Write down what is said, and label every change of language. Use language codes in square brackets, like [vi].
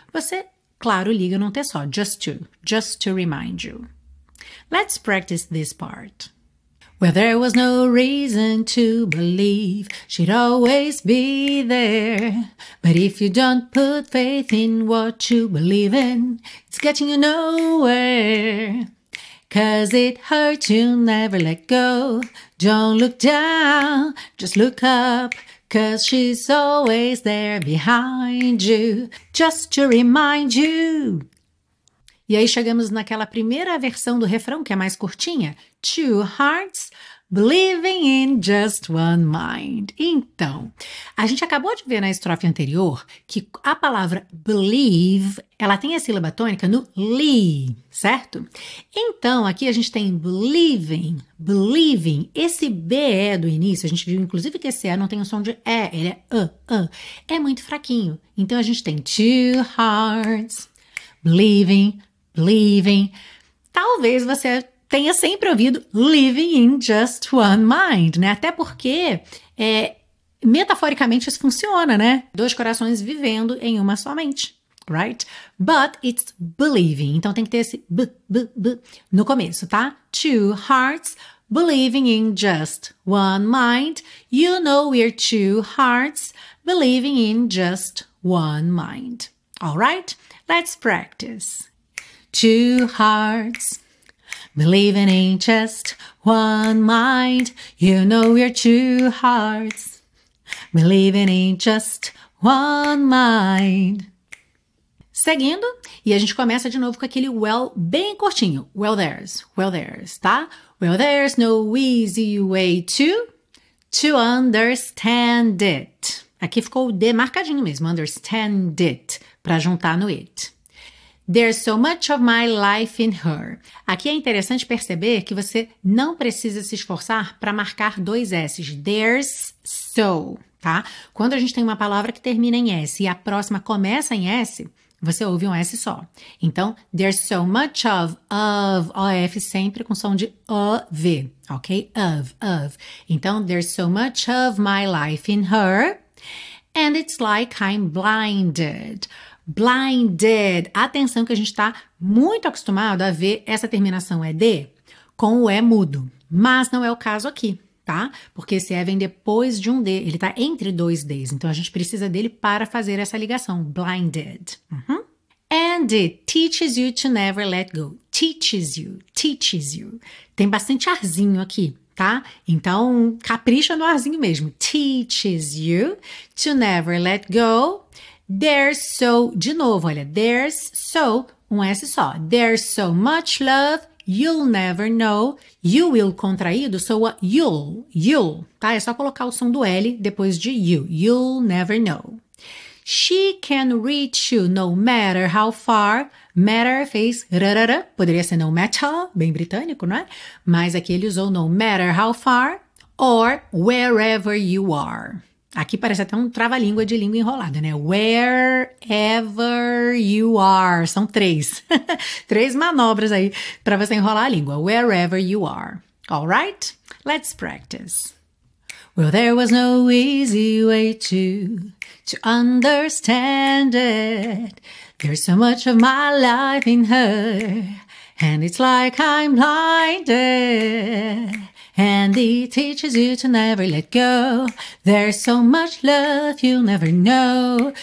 [pt] Você, claro, liga num T só. [en] Just to remind you. Let's practice this part. Well, there was no reason to believe she'd always be there. But if you don't put faith in what you believe in, it's getting you nowhere. 'Cause it hurts you never let go. Don't look down, just look up. 'Cause she's always there behind you, just to remind you. [pt] E aí chegamos naquela primeira versão do refrão, que é mais curtinha. [en] Two hearts believing in just one mind. [pt] Então, a gente acabou de ver na estrofe anterior que a palavra believe, ela tem a sílaba tônica no li, certo? Então, aqui a gente tem believing, believing. Esse BE do início, a gente viu inclusive que esse E não tem o som de E, ele é é muito fraquinho. Então, a gente tem two hearts believing, believing. Talvez você tenha sempre ouvido living in just one mind, né? Até porque, metaforicamente, isso funciona, né? Dois corações vivendo em uma só mente, right? [en] But it's believing. [pt] Então, tem que ter esse b, b, b no começo, tá? [en] Two hearts believing in just one mind. You know we're two hearts believing in just one mind. All right? Let's practice. Two hearts believing in just one mind. You know we're two hearts believing in just one mind. [pt] Seguindo, e a gente começa de novo com aquele well bem curtinho. [en] Well there's, tá? Well there's no easy way to understand it. [pt] Aqui ficou o D marcadinho mesmo, [en] understand it, [pt] para juntar no it. [en] There's so much of my life in her. [pt] Aqui é interessante perceber que você não precisa se esforçar para marcar dois S's. [en] There's so, [pt] tá? Quando a gente tem uma palavra que termina em S e a próxima começa em S, você ouve um S só. Então, [en] there's so much of, [pt] O-F, sempre com som de O-V, ok? Of. [en] Então, there's so much of my life in her. And it's like I'm blinded. Blinded. [pt] Atenção que a gente está muito acostumado a ver essa terminação ED com o E mudo. Mas não é o caso aqui, tá? Porque esse E vem depois de um D. Ele está entre dois Ds. Então, a gente precisa dele para fazer essa ligação. [en] Blinded. Uhum. And it teaches you to never let go. Teaches you. Teaches you. [pt] Tem bastante arzinho aqui, tá? Então, capricha no arzinho mesmo. [en] Teaches you to never let go. There's so, [pt] de novo, olha, there's so, um S só. [en] There's so much love, you'll never know. [pt] You will contraído, soa you'll, tá? É só colocar o som do L depois de you. [en] You'll never know. She can reach you no matter how far. [pt] Matter fez rarara, poderia ser no matter, bem britânico, não é? Mas aqui ele usou [en] no matter how far or wherever you are. [pt] Aqui parece até um trava-língua de língua enrolada, né? [en] Wherever you are. [pt] São três. Três manobras aí para você enrolar a língua. [en] Wherever you are. All right? Let's practice. Well, there was no easy way to understand it. There's so much of my life in her, and it's like I'm blinded. And it teaches you to never let go. There's so much love you'll never know.